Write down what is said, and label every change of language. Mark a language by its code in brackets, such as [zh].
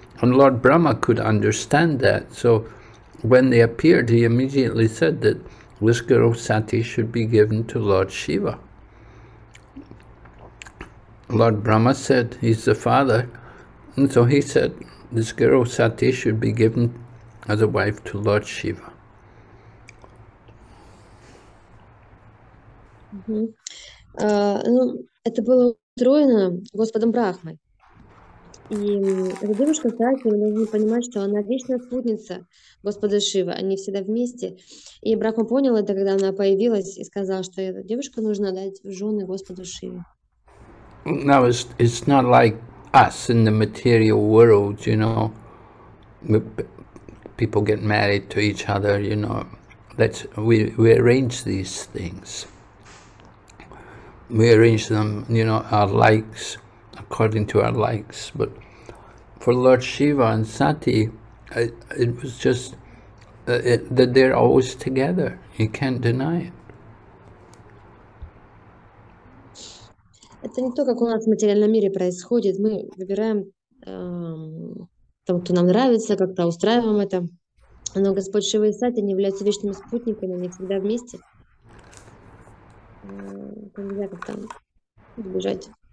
[en] And Lord Brahma could understand that, so when they appeared, he immediately said that this girl Sati should be given to Lord Shiva. Lord Brahma said he's the father, and so he said this girl Sati should be given as a wife to Lord Shiva. [ru] Это было устроено Господом Брахмой. И эта девушка, кстати, мы должны понимать, что она вечная спутница Господа Шивы, они всегда вместе. И Брахма понял это, когда она появилась и сказал, что эта девушка нужно дать в жены Господу Шиве. [en] Now it's not like us in the material world, you know. People get married to each other, you know. That's we arrange these things. We arrange them, you know, our likes. According to our likes, but for Lord Shiva and Sati, it was just that they're always together. You can't deny it. [ru] Это не то, как у нас в материальном мире происходит. Мы выбираем то, что нам нравится, как-то устраиваем это. Но Господь Шива и Сати не являются вечными спутниками, они всегда вместе. Нельзя как-то убежать.